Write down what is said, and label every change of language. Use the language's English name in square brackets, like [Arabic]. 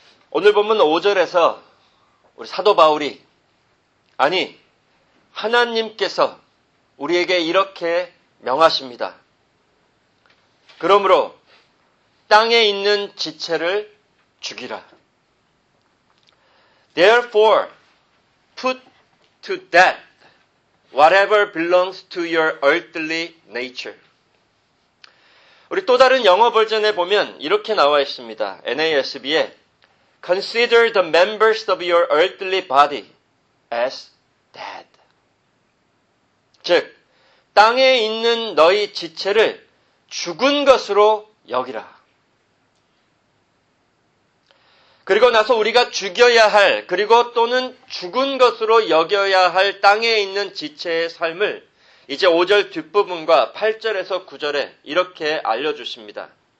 [Korean] 오늘 보면 5절에서 우리 사도 바울이 아니 하나님께서 우리에게 이렇게 명하십니다. 그러므로 땅에 있는 지체를 죽이라. [English] Therefore, put to death whatever belongs to your earthly nature. [Korean] 우리 또 다른 영어 버전에 보면 이렇게 나와 있습니다. [English] NASB에 Consider the members of your earthly body as dead. [Korean] 즉, 땅에 있는 너희 지체를 죽은 것으로 여기라. 그리고 나서 우리가 죽여야 할, 그리고 또는 죽은 것으로 여겨야 할 땅에 있는 지체의 삶을 이제 5절 뒷부분과 8절에서 9절에 이렇게 알려주십니다.